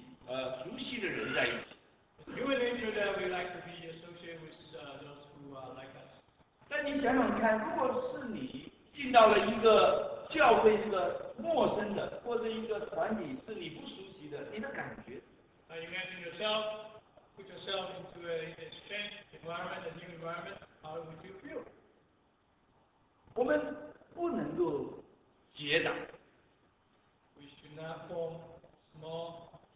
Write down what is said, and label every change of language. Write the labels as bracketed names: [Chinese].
[Chinese] 我们都喜欢和自己熟悉的人在一起。 [English] You would enjoy that we like to be associated with those who like us. [Chinese] 但你想想看，如果是你进到了一个教会，是个陌生的，或者一个团体是你不熟悉的，你的感觉。 [English] Now you imagine yourself, put yourself into a strange environment, a new environment. How would you feel? [Chinese] 我们不能够结党。 [English] We should not form small.